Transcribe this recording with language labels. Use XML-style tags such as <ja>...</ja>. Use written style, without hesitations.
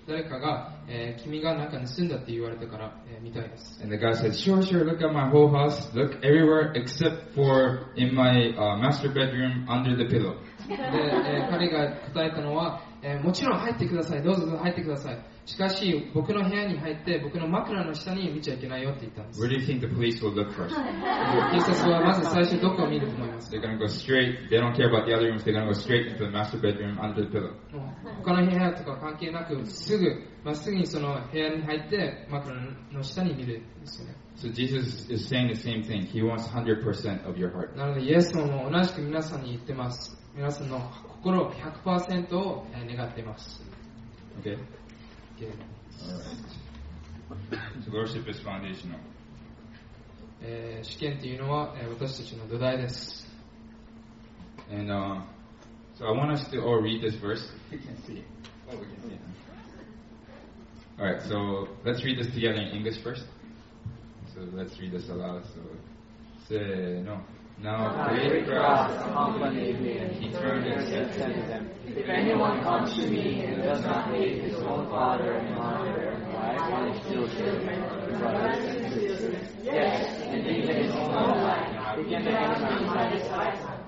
<ja>誰かが、君が何か盗んだって言われたから、見たいです。</ja> <en>And the guy said, "Sure, sure. Look at my whole house. Look everywhere except for in my master bedroom under the pillow."</en> <ja>で、彼が答えたのは、もちろん入ってください。どうぞ入ってください。しかし僕の部屋に入って僕の枕の下に見ちゃいけないよって言ったんです。</ja> <en>Where do you think the police will look first?</en> <ja>警察はまず最初どこを見ると思います。</ja> <en>They're gonna go straight. They don't care about the other rooms. They're gonna go straight into the master bedroom under the pillow.</en> <ja>他の部屋とか関係なくすぐまっすぐにその部屋に入って枕の下に見るんですね。</ja> <en>So Jesus is saying the same thing. He wants 100% of your heart.</en> <ja>なのでイエス様も同じく皆さんに言ってます。皆さんの心を 100% を願っています。</ja> <en>Okay. Alright. So worship is foundational.</en> <ja>試験というのは私たちの土台です。</ja> <en>And so I want us to all read this verse. We can see. Oh, we can see. Alright, so let's read this together in English first. So let's read this aloud. So,</en> <ja>せーの。</ja> <en>Now great crowds accompanied me, and he turned and said to them, If anyone comes to me and does not hate his own father and mother and wife and his children and brothers and sisters, yes, and even his own life, he can have him by his lifetime.</en>